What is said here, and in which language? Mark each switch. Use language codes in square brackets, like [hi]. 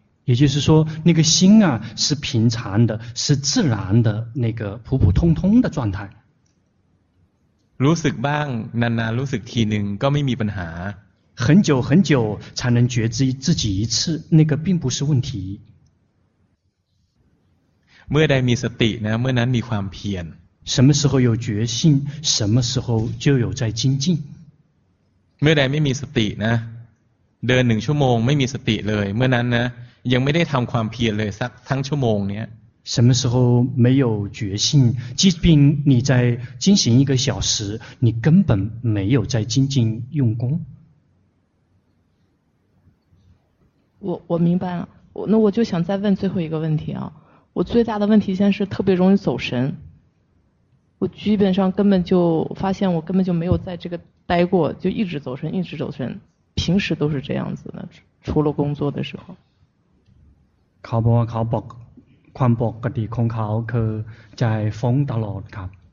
[zh] 也就是说那个心啊是平常的是自然的那个普普通通的状态 [th] รู้สึกบ้างนานๆรู้สึกทีนึงก็ไม่มีปัญหา [zh] 很久很久才能觉知自己一次那个并不是问题 [th] เมื่อใดมีสตินะเมื่อนั้นมีความเพียร [zh] 什么时候有决心什么时候就有在精进 [th] เมื่อใดไม่มีสตินะเดินหนึ่งชั่วโมงไม่มีสติเลยเมื่อนั้นนะยังไม่ได้ทำความเพียรเลยสักทั้งชั่วโมงเนี้ย [zh] 什么时候没有决心即便你在进行一个小时你根本没有在精进用功我明白了那我就想再问最后一个问题啊我最大的问题现在是特别容易走神我基本上根本就发现我根本就没有在这个待过就一直走神一直走神平时都是这样子的除了工作的时候 [th] เขาบอกว่าเขาบอกความปกติของเขาคือใจฟุ้งตลอดครับ